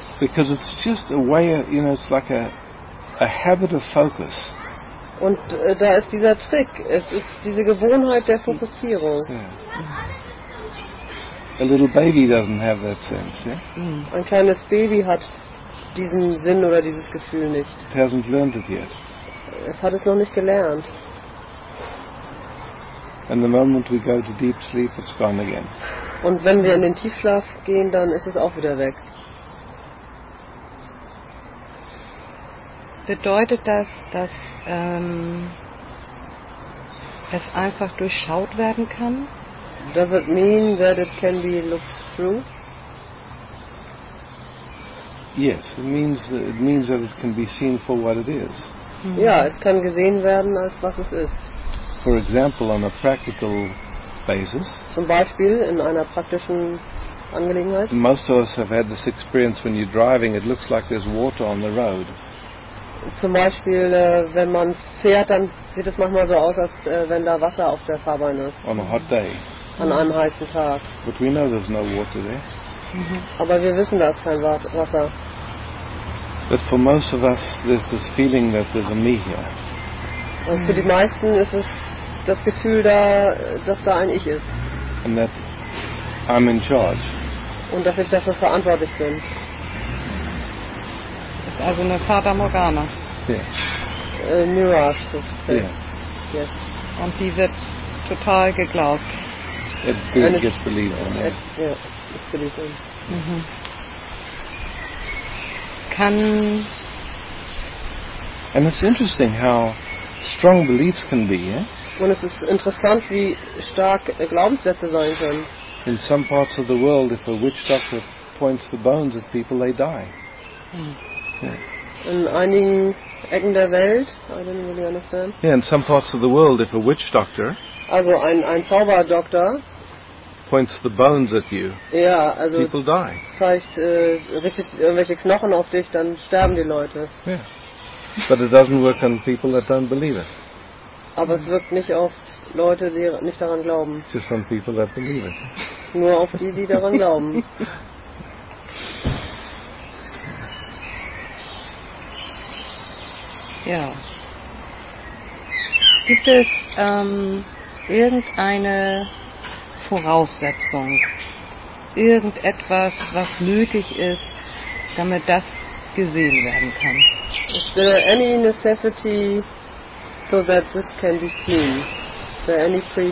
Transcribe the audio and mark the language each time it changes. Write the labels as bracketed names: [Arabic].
[English] Because it's just a way of, you know, it's like a habit of focus. [German] Und da ist dieser Trick. Es ist diese Gewohnheit der Fokussierung. [English] Yeah. A little baby doesn't have that sense, yeah? Mm. [German] Ein kleines Baby hat diesen Sinn oder dieses Gefühl nicht. [English] It hasn't learned it yet. [German] Es hat es noch nicht gelernt. [English] And the moment we go to deep sleep, it's gone again. [German] Und wenn wir in den Tiefschlaf gehen, dann ist es auch wieder weg. Bedeutet das, dass es einfach durchschaut werden kann? [English] Does it mean that it can be looked through? Yes, it means that it can be seen for what it is. Mm-hmm. [German] Ja, es kann gesehen werden als was es ist. [English] For example, on a practical basis. [German] Zum Beispiel in einer praktischen Angelegenheit. [English] Most of us have had this experience when you're driving, it looks like there's water on the road. [German] Zum Beispiel, wenn man fährt, dann sieht es manchmal so aus, als wenn da Wasser auf der Fahrbahn ist. [English] On a hot day. [German] An einem heißen Tag. [English] But we know there's no water there. [German] Aber wir wissen, da ist kein Wasser. [English] But for most of us, there's this feeling that there's a me here. [German] Und für die meisten ist es das Gefühl da, dass da ein Ich ist. [English] And that I'm in charge. [German] Und dass ich dafür verantwortlich bin. Also eine Fata Morgana. [English] Yeah. [German] Mirage sozusagen. [English] Yeah. Yes. [German] Und die wird total geglaubt. [English] It really gets believed in. Yeah, it's believed in. Mm-hmm. Can. And it's interesting how strong beliefs can be. Yeah? [German] Und es ist interessant, wie stark Glaubenssätze sein können. [English] In some parts of the world, if a witch doctor points the bones at people, they die. Yeah. [German] In einigen Ecken der Welt, [English] I don't really understand. Yeah, in some parts of the world, if a witch doctor. [German] Also ein Zauberdoktor [English] points the bones at you. [German] Ja, also [English] people die. [German] Zeigt richtet irgendwelche Knochen auf dich, dann sterben die Leute. [English] Yeah. But it doesn't work on people that don't believe it. [German] Aber es wirkt nicht auf Leute, die nicht daran glauben. [English] Just on people that believe it. [German] Nur auf die, die daran glauben. Ja. Gibt es irgendeine Voraussetzung, irgendetwas, was nötig ist, damit das gesehen werden kann? [English] Is there any necessity so that this can be seen? Is there any